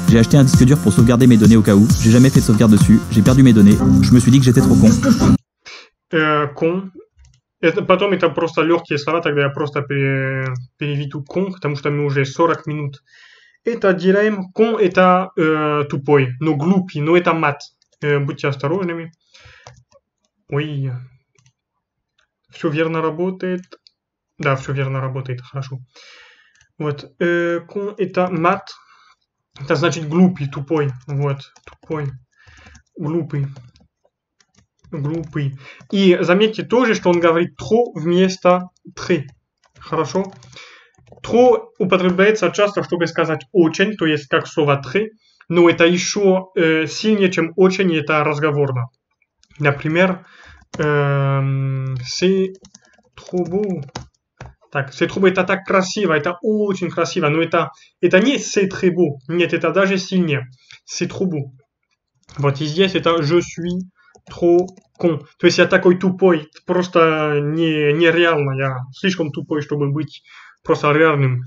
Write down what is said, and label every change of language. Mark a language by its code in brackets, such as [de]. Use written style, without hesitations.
[fr] J'ai acheté un disque dur pour sauvegarder mes données au cas où. J'ai jamais fait de sauvegarde dessus. J'ai perdu mes données. Je me suis dit que j'étais trop con. «Con». [ru] Потом это просто легкие слова, тогда я просто переведу «con», потому что мы уже 40 минут. Это делаем «con» — это тупой, но глупый, но это мат. Будьте осторожными. Ой. Все верно работает. Да, все верно работает, хорошо. Вот. «Con» — это мат. Это значит глупый, тупой. Вот, тупой. Глупый. Глупый. И заметьте тоже, что он говорит «тро» вместо «тре». Хорошо? «Тро» употребляется часто, чтобы сказать «очень», то есть как слово «тре». Но это еще сильнее, чем «очень», и это разговорно. Например, [fr] «c'est trop beau». [ru] Так, [fr] «c'est trop beau» [ru] — это так красиво, это очень красиво. Но это не [fr] «c'est très beau». [ru] Нет, это даже сильнее. [fr] «C'est trop beau». [ru] Вот и здесь это [fr] «je suis». Trop con. [ru] То есть я такой тупой. Просто нереально. Я слишком тупой, чтобы быть просто реальным.